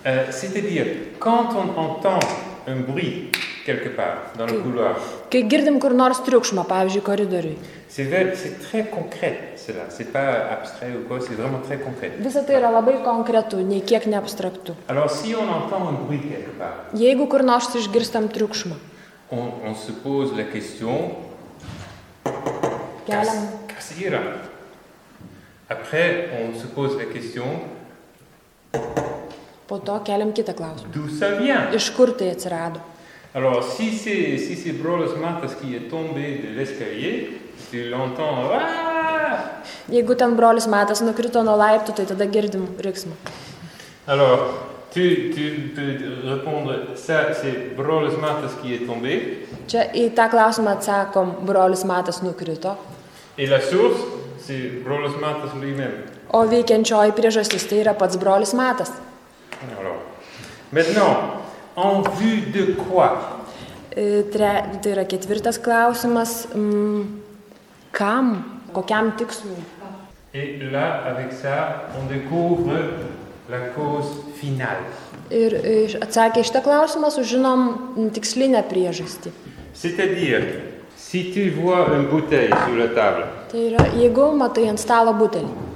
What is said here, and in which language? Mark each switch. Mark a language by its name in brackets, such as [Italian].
[French] C'est-à-dire, quand on entend un bruit quelque part dans le couloir. [Lithuanian] Kai girdim kur nors triukšmą, pavyzdžiui, koridoriui. [French] C'est très concret, cela. C'est pas abstrait ou quoi, c'est vraiment très concret. [Lithuanian] Visa tai yra labai konkretu, nei kiek neabstraktu. [French] Alors, si on entend un bruit quelque part. [Lithuanian] Jeigu kur nors išgirstam triukšmą. [French] On se pose la question. [Lithuanian] Kas yra? [French] Après, on se pose la question. [Lithuanian] Po to keliam kitą klausimą. [French] D'où ça vient? [Lithuanian] Iš kur tai atsirado? [French] Alors, si c'est Brolos Matas qui est tombé de l'escalier, tu l'entends, aaaah! [Lithuanian] Jeigu ten Brolis Matas nukrito nuo laiptų, tai tada girdim riksmą. [French] Alors, tu peux répondre, ça, c'est Brolos Matas qui est tombé. [Lithuanian] Čia į tą klausimą atsakom, Brolis Matas nukrito. [French] Et la source, c'est Brolos Matas lui-même. [Lithuanian] O veikiančioji priežastis, tai yra pats Brolis Matas. [French] Alors, maintenant, en vue de quoi? [Lithuanian] Tai yra ketvirtas klausimas. Kam? Kokiam tikslui? [French] Et là, avec ça, on découvre la cause finale. [Lithuanian] Ir atsakė šitą klausimą, sužinom tikslinę priežastį. [French] C'est-à-dire, si tu vois une bouteille sur la table. [Lithuanian] Tai yra, jeigu matai ant stalo butelį.